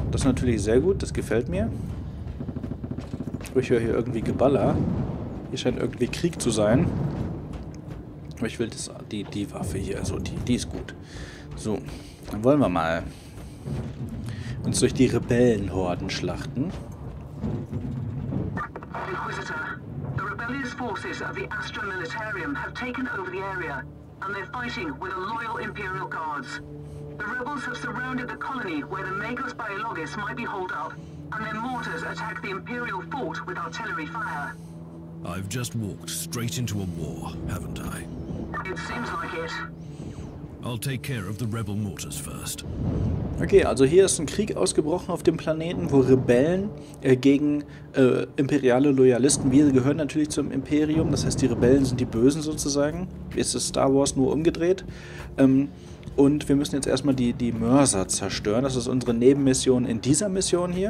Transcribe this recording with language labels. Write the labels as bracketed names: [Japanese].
[German] Das ist natürlich sehr gut, das gefällt mir. Ich höre hier irgendwie Geballer. Hier scheint irgendwie Krieg zu sein. Aber ich will das, die Waffe hier, also die ist gut. So, dann wollen wir mal uns durch die Rebellenhorden schlachten. [English] Inquisitor, the rebellious forces of the Astra Militarium have taken over the area. And they're fighting with the loyal Imperial Guards. The rebels have surrounded the colony where the Magus Biologus might be holed up, and their mortars attack the Imperial fort with artillery fire. I've just walked straight into a war, haven't I? It seems like it. I'll take care of the rebel mortars first. [German] Okay, also hier ist ein Krieg ausgebrochen auf dem Planeten, wo Rebellen gegen imperiale Loyalisten, wir gehören natürlich zum Imperium, das heißt die Rebellen sind die Bösen sozusagen, ist es Star Wars nur umgedreht. Und wir müssen jetzt erstmal die Mörser zerstören, das ist unsere Nebenmission in dieser Mission hier.